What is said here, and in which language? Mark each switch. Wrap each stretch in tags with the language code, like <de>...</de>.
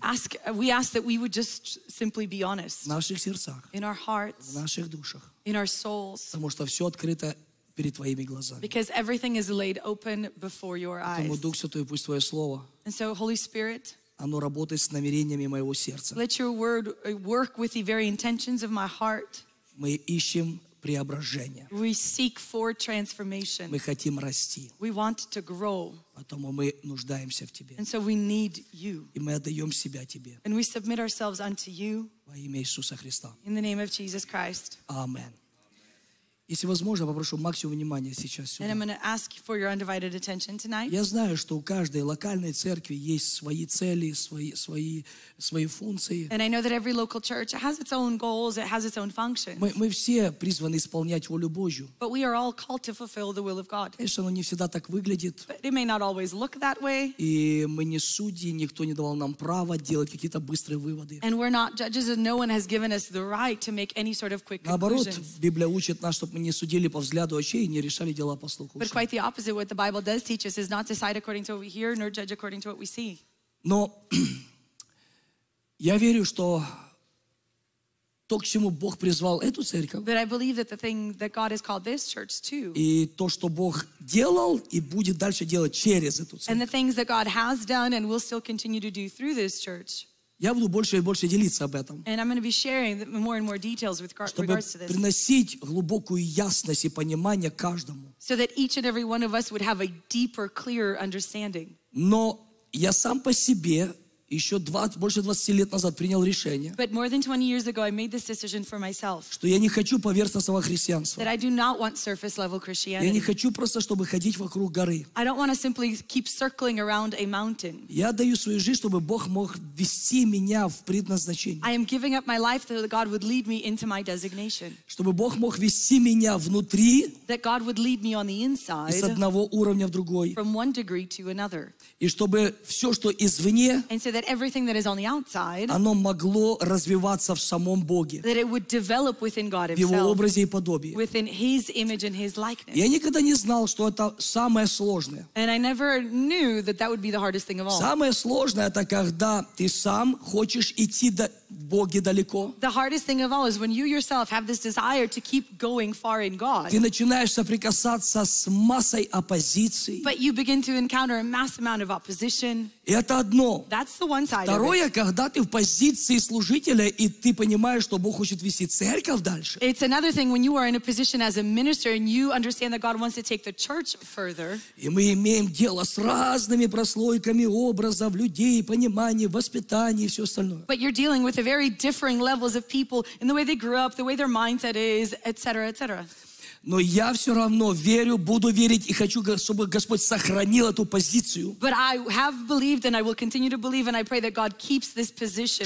<en>Ask, we ask that we would just simply be honest.</en> <ru>Наших сердцах.</ru> <en>In our hearts,</en> <ru>в наших душах,</ru> <en>in our souls,</en> <ru>потому что все открыто перед твоими глазами.</ru> <en>Because everything is laid open before your eyes.</en> <ru>Поэтому Дух Святой, пусть твое слово.</ru> <en>And so, Holy Spirit,</en> <ru>оно работает с намерениями моего сердца.</ru> <en>Let your word work with the very intentions of my heart.</en> <ru>Мы ищем преображение.</ru> <en>We seek for transformation.</en> <ru>Мы хотим расти.</ru> <en>We want to grow.</en> <ru>Поэтому мы нуждаемся в тебе.</ru> <en>And so we need you.</en> <ru>И мы отдаем себя тебе.</ru> <en>And we submit ourselves unto you.</en> <ru>Во имя Иисуса Христа.</ru> <en>In the name of Jesus Christ. Amen.</en> <ru>Если возможно, попрошу максимум внимания сейчас сюда.</ru> <en>And I'm going to ask for your undivided attention tonight.</en> <ru>Я знаю, что у каждой локальной церкви есть свои цели, свои функции.</ru> <en>And I know that every local church has its own goals, it has its own functions.</en> <ru>Мы все призваны исполнять волю Божью.</ru> <en>But we are all called to fulfill the will of God.</en> <ru>Конечно, оно не всегда так выглядит.</ru> <en>But it may not always look that way.</en> <ru>И мы не судьи, никто не давал нам права делать какие-то быстрые выводы.</ru> <en>And we're not judges, and no one has given us the right to make any sort of quick</en> <ru>Наоборот,</ru> <en>conclusions.</en> <ru>Наоборот, Библия учит нас, что мы не судили по взгляду очей и не решали дела по слуху.</ru> <en>But quite the opposite, what the Bible does teach us is not decide according to what we hear, nor judge according to what we see.</en> <ru>Но я верю, что то, к чему Бог призвал эту церковь,</ru> <en>but I believe that the thing that God has called this church to,</en> <ru>и то, что Бог делал и будет дальше делать через эту церковь,</ru> <en>and the things that God has done and will still continue to do through this church,</en> <ru>я буду больше и больше делиться об этом.</ru> <en>And I'm going to be sharing more and more details with regards to this.</en> <ru>Чтобы приносить глубокую ясность и понимание каждому.</ru> <en>So that each and every one of us would have a deeper, clearer understanding.</en> <ru>Но я сам по себе еще 20, больше 20 лет назад принял решение.</ru> <en>But more than 20 years ago, I made this decision for myself.</en> <ru>Что я не хочу поверхностного христианства.</ru> <en>That I do not want surface level Christianity.</en> <ru>Я не хочу просто, чтобы ходить вокруг горы.</ru> <en>I don't want to simply keep circling around a mountain.</en> <ru>Я даю свою жизнь, чтобы Бог мог вести меня в предназначение.</ru> <en>I am giving up my life so that God would lead me into my designation.</en> <ru>Чтобы Бог мог вести меня внутри.</ru> <en>That God would lead me on the inside.</en> <ru>С одного уровня в другой.</ru> <en>From one degree to another.</en> <ru>И чтобы все, что извне.</ru> <en>And so that that everything that is on the outside,</en> <ru>оно могло развиваться в самом Боге,</ru> <en>that it would develop within God himself,</en> <ru>в его образе и подобии,</ru> <en>within his image and his likeness.</en> <ru>Я никогда не знал, что это самое сложное.</ru> <en>And I never knew that that would be the hardest thing of all.</en> <ru>Самое сложное это когда ты сам хочешь идти до Бога далеко.</ru> <en>The hardest thing of all is when you yourself have this desire to keep going far in God.</en> <ru>Ты начинаешь соприкасаться с массой оппозиции.</ru> <en>But you begin to encounter a mass amount of opposition.</en> <ru>Это одно.</ru> <en>That's the one side.</en> <ru>Второе,</ru> <en>of it.</en> <ru>Когда ты в позиции служителя и ты понимаешь, что Бог хочет вести церковь дальше.</ru> <en>It's another thing when you are in a position as a minister and you understand that God wants to take the church further.</en> <ru>И мы имеем дело с разными прослойками образов людей, понимания, воспитания и все остальное.</ru> <en>But you're dealing with the very differing levels of people in the way they grew up, the way their mindset is, etc., etc.</en> <ru>Но я все равно верю, буду верить и хочу, чтобы Господь сохранил эту позицию.</ru> <en>But I have believed and I will continue to believe and I pray that God keeps this position.</en>